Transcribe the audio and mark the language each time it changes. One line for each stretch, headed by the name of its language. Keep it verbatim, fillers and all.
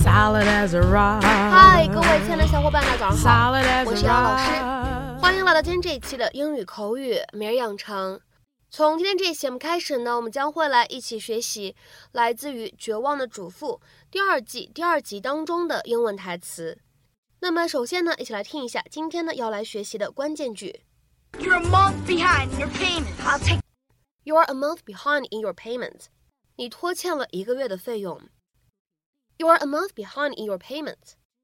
Chinese: 嗨，各位亲爱的小伙伴，大家早上好，我是姚老师，欢迎来到今天这一期的英语口语每日养成。从今天这一期节目开始呢，我们将会来一起学习来自于《绝望的主妇》第二季第二集当中的英文台词。那么首先呢，一起来听一下今天呢要来学习的关键句。
English: You're a month behind in your payment. I'll take. You are a month behind in your payment.
Chinese: 你拖欠了一个月的费用。
English: You are a month behind in your payment.